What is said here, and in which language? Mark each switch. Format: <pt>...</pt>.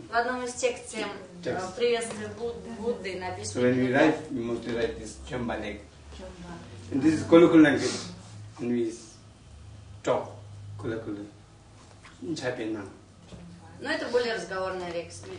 <ru>В одном из текстов приветствия Будды написано.</ru> <en>So when we write, we must write this Chumbalek. And this is colloquial language. And we talk colloquially.</en> <ru>Но это более разговорная лексика.</ru>